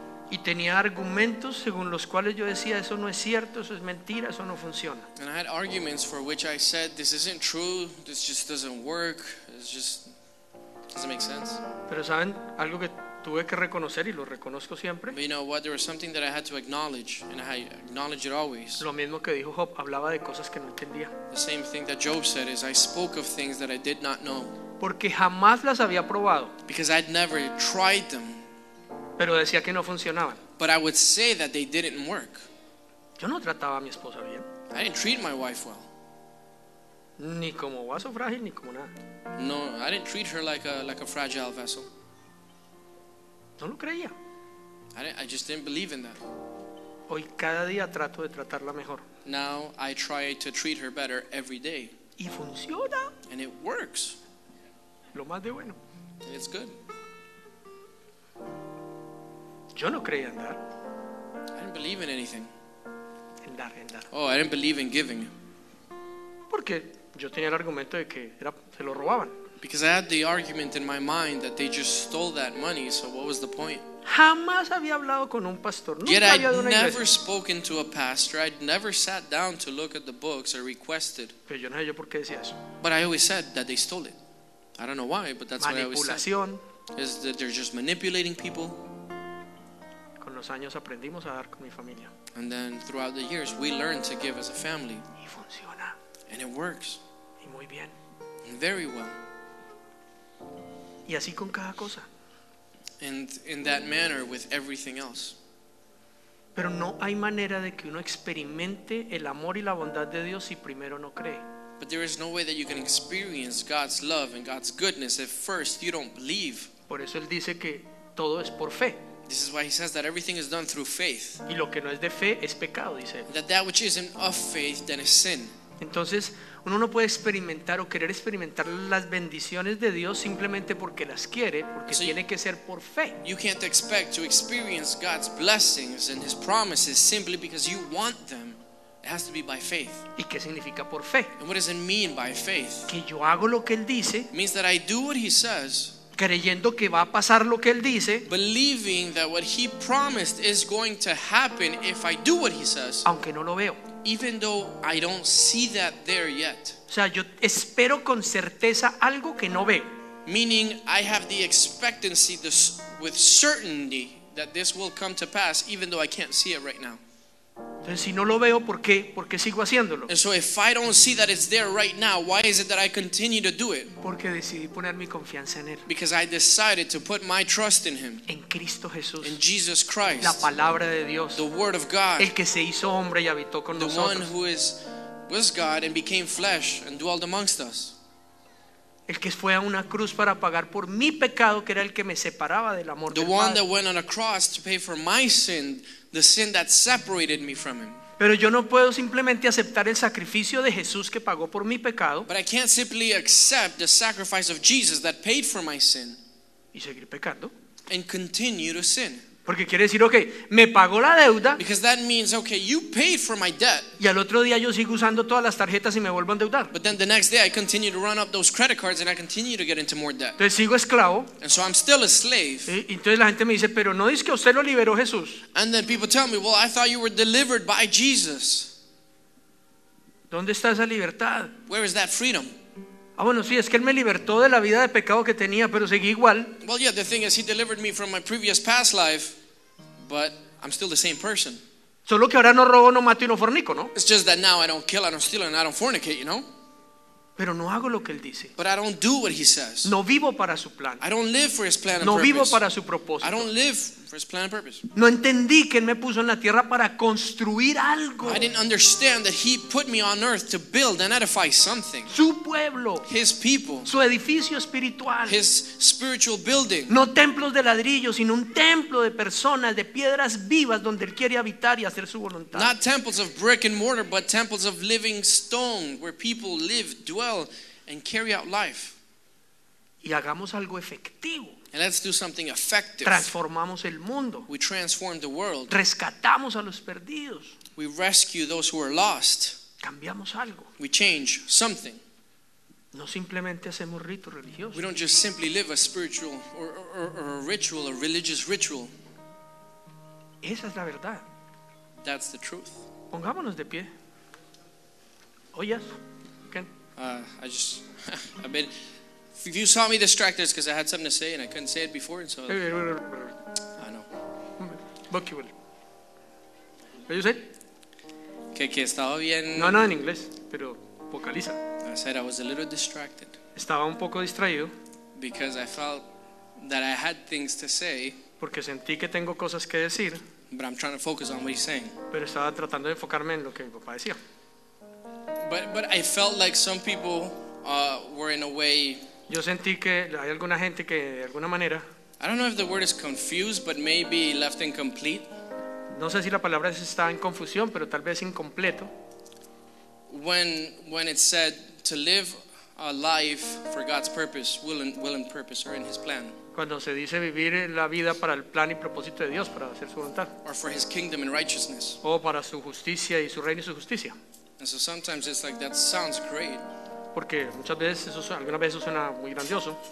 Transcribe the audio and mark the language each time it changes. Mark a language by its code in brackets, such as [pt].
[es] Y tenía argumentos según los cuales yo decía eso no es cierto, eso es mentira, eso no funciona. [en] And I had arguments for which I said this isn't true, this just doesn't work, it's just doesn't make sense. [es] Pero saben algo que tuve que reconocer y lo reconozco siempre. [en] But you know what, there was something that I had to acknowledge and I acknowledge it always. [es] Lo mismo que dijo Job, hablaba de cosas que no entendía. [en] The same thing that Job said is I spoke of things that I did not know. [es] Porque jamás las había probado. [en] Because I'd never tried them. [es] Pero decía que no funcionaban. [en] But I would say that they didn't work. [es] Yo no trataba a mi esposa bien. [en] I didn't treat my wife well. [es] Ni como vaso frágil ni como nada. [en] No, I didn't treat her like a fragile vessel. [es] No lo creía. [en] I just didn't believe in that. [es] Hoy cada día trato de tratarla mejor. [en] Now I try to treat her better every day. [es] Y funciona. [en] And it works. [es] Lo más de bueno. [en] It's good. [es] Yo no creía en dar. [en] I didn't believe in anything. [es] En dar, en dar. [en] Oh, I didn't believe in giving. [es] Porque yo tenía el argumento de que era, se lo robaban. [en] Because I had the argument in my mind that they just stole that money, so what was the point? [es] Jamás había hablado con un pastor. [en] Yet [es] nunca había [en] I'd [es] una [en] never [es] iglesia. [en] Spoken to a pastor. I'd never sat down to look at the books or requested. [es] Pero yo no sé yo por qué decía eso. [en] But I always said that they stole it. I don't know why, but that's what I always said. Is that they're just manipulating people. [es] Con los años aprendimos a dar con mi familia. [en] And then throughout the years, we learned to give as a family. [es] Y funciona. [en] And it works. [es] Y muy bien. [en] And very well. [es] Y así con cada cosa. [en] And in that manner with everything else. [es] Pero no hay manera de que uno experimente el amor y la bondad de Dios si primero no cree. [en] But there is no way that you can experience God's love and God's goodness if first you don't believe. [es] Por eso él dice que todo es por fe. [en] This is why he says that everything is done through faith. [es] Y lo que no es de fe es pecado, dice. [en] That which isn't of faith then is sin. [es] Entonces uno no puede experimentar o querer experimentar las bendiciones de Dios simplemente porque las quiere, porque so tiene que ser por fe. [en] You can't expect to experience God's blessings and his promises simply because you want them. It has to be by faith. [es] ¿Y qué significa por fe? [en] And what does it mean by faith? [es] Que yo hago lo que él dice. [en] It means that I do what he says. [es] Creyendo que va a pasar lo que él dice. [en] Believing that what he promised is going to happen if I do what he says. [es] Aunque no lo veo. [en] Even though I don't see that there yet. [es] O sea, yo espero con certeza algo que no veo. [en] Meaning I have the expectancy with certainty that this will come to pass even though I can't see it right now. [es] Entonces, si no lo veo, ¿por qué? ¿Por qué sigo haciéndolo? [en] And so if I don't see that it's there right now, why is it that I continue to do it? [es] Porque decidí poner mi confianza en él. [en] Because I decided to put my trust in him. [es] En Cristo Jesús. [en] In Jesus Christ. [es] La palabra de Dios. [en] The word of God. [es] El que se hizo hombre y habitó con [en] the [es] nosotros. [en] The one who was God and became flesh and dwelt amongst us. [es] El que fue a una cruz para pagar por mi pecado, que era el que me separaba del amor del Padre. [en] The one that went on a cross to pay for my sin, the sin that separated me from him. [es] Pero yo no puedo simplemente aceptar el sacrificio de Jesús que pagó por mi pecado. [en] But I can't simply accept the sacrifice of Jesus that paid for my sin. [es] Y seguir pecando. [en] And continue to sin. [es] Porque quiere decir, okay, me pagó la deuda. [en] Because that means, okay, you paid for my debt. [es] Y al otro día yo sigo usando todas las tarjetas y me vuelvo a endeudar. [en] But then the next day I continue to run up those credit cards and I continue to get into more debt. [es] Entonces sigo esclavo. [en] And so I'm still a slave. [es] Y entonces la gente me dice, pero no dice que usted lo liberó Jesús. [en] And then people tell me, well, I thought you were delivered by Jesus. [es] ¿Dónde está esa libertad? [en] Where is that freedom? [es] Ah, bueno, sí, es que él me libertó de la vida de pecado que tenía, pero seguí igual. [en] Well, yeah, the thing is, he delivered me from my previous past life. But I'm still the same person. [es] Solo que ahora no robo, no mato y no fornico, ¿no? [en] It's just that now I don't kill, I don't steal, and I don't fornicate, you know? [es] Pero no hago lo que él dice. [en] But I don't do what he says. [es] No vivo para su plan. [en] I don't live for his plan and purpose. [es] No vivo para su propósito. [en] I don't live for his plan and purpose. [es] No entendí que él me puso en la tierra para construir algo. [en] I didn't understand that he put me on earth to build and edify something. [es] Su pueblo. [en] His people. [es] Su edificio espiritual. [en] His spiritual building. [es] No templos de ladrillos, sino un templo de personas, de piedras vivas donde él quiere habitar y hacer su voluntad. [en] Not temples of brick and mortar, but temples of living stone where people live, dwell, and carry out life. [es] Y hagamos algo efectivo. [en] And let's do something effective. [es] Transformamos el mundo. [en] We transform the world. [es] Rescatamos a los perdidos. [en] We rescue those who are lost. [es] Cambiamos algo. [en] We change something. [es] No simplemente hacemos ritos religiosos. [en] We don't just simply live a spiritual or a ritual, a religious ritual. [es] Esa es la verdad. [en] That's the truth. [es] Pongámonos de pie. Oyes. [en] I've been, if you saw me distracted, it's because I had something to say and I couldn't say it before, and so I know. Book you will. What you said? [es] Que estaba bien. No, no, en inglés, pero vocaliza. [en] I said I was a little distracted. [es] Estaba un poco distraído. [en] Because I felt that I had things to say. [es] Porque sentí que tengo cosas que decir. [en] But I'm trying to focus on what he's saying. [es] Pero estaba tratando de enfocarme en lo que mi papá decía. [en] But I felt like some people were in a way. [es] Yo sentí que hay alguna gente que de alguna manera. [en] I don't know if the word is confused, but maybe left incomplete. [es] No sé si la palabra está en confusión, pero tal vez incompleto. [en] When it said to live a life for God's purpose, will and purpose, or in His plan. [es] Cuando se dice vivir la vida para el plan y propósito de Dios, para hacer su voluntad. [en] Or for His kingdom and righteousness. [es] O para su justicia y su reino y su justicia. [en] And so sometimes it's like that sounds great. [es] Porque muchas veces eso suena, algunas veces suena muy grandioso.